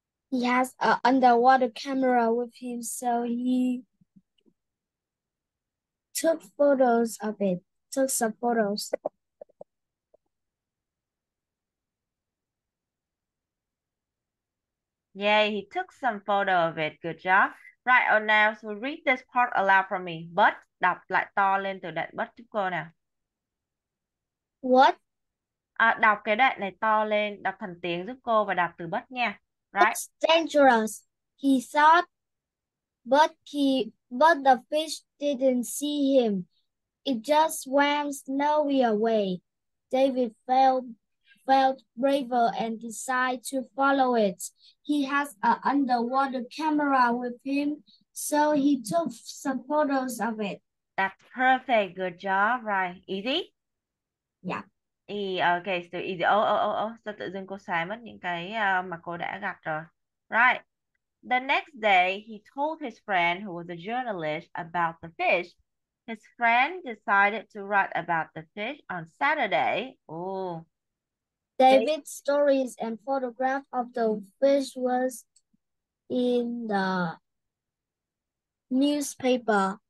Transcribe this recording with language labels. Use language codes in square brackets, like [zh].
[en] He has an underwater camera with him, so he took photos of it. Took some photos. Yay, he took some photo of it. Good job. Right, oh now, so read this part aloud for me. [vi] But, đọc lại to lên từ đoạn but giúp cô nào. [en] What? [vi] À, đọc cái đoạn này to lên, đọc thành tiếng giúp cô và đọc từ but nha. [en] Right. It's dangerous, he thought, but the fish didn't see him. It just swam slowly away. David felt braver and decided to follow it. He has an underwater camera with him, so he took some photos of it. That's perfect. Good job. Right. Easy? Yeah. Okay, so easy. [vi] Sao tự dưng cô xài mất những cái mà cô đã gặp rồi. [en] Right. The next day, he told his friend who was a journalist about the fish. His friend decided to write about the fish on Saturday. Oh. David's stories and photograph of the fish was in the newspaper.